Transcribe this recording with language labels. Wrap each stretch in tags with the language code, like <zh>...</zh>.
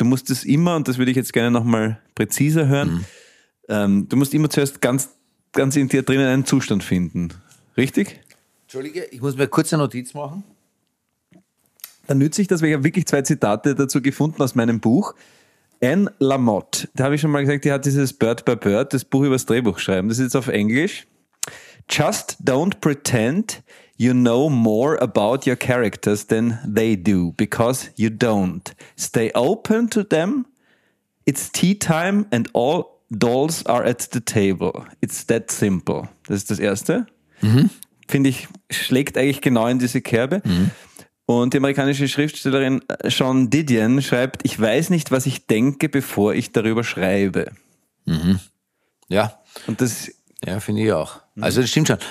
<de>Du musst es immer, und das würde ich jetzt gerne nochmal präziser hören, du musst immer zuerst ganz in dir drinnen einen Zustand finden. Richtig? Entschuldige, ich muss mir kurz eine Notiz machen. Dann nütze ich das, weil ich habe wirklich zwei Zitate dazu gefunden aus meinem Buch. Anne Lamott, da habe ich schon mal gesagt, die hat dieses Bird by Bird, das Buch über das Drehbuch schreiben. Das ist jetzt auf Englisch.</de> <en>Just don't pretend you know more about your characters than they do, because you don't. Stay open to them. It's tea time and all dolls are at the table. It's that simple.</en> <de>Das ist das Erste. Mhm. Finde ich, schlägt eigentlich genau in diese Kerbe. Mhm. Und die amerikanische Schriftstellerin Shawn Didion schreibt, ich weiß nicht, was ich denke, bevor ich darüber schreibe. Mhm. Ja. Und das, ja, finde ich auch. Mhm. Also das stimmt schon.</de>